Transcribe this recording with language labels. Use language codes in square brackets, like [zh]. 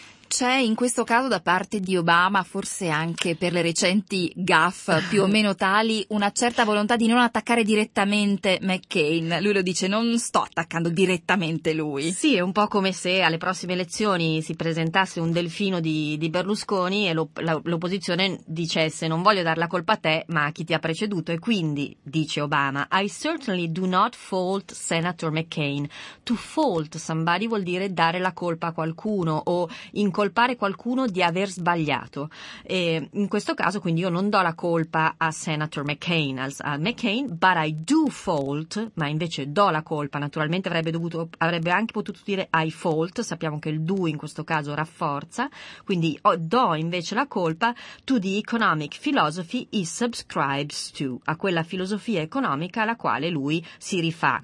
[it] C'è in questo caso da parte di Obama, forse anche per le recenti gaffe più o meno tali, una certa volontà di non attaccare direttamente McCain. Lui lo dice, non sto attaccando direttamente lui. Sì, è un po' come se alle prossime elezioni si presentasse un delfino di Berlusconi e l'opposizione dicesse, non voglio dar la colpa a te ma a chi ti ha preceduto. E quindi dice Obama, [en] I certainly do not fault Senator McCain. To fault somebody [it] vuol dire dare la colpa a qualcuno o incolpare qualcuno di aver sbagliato. E in questo caso quindi io non do la colpa a Senator McCain, a McCain, [en] but I do fault, [it] ma invece do la colpa, naturalmente avrebbe anche potuto dire [en] I fault, [it] sappiamo che il do in questo caso rafforza, quindi do invece la colpa [en] to the economic philosophy he subscribes to, [it] a quella filosofia economica alla quale lui si rifà.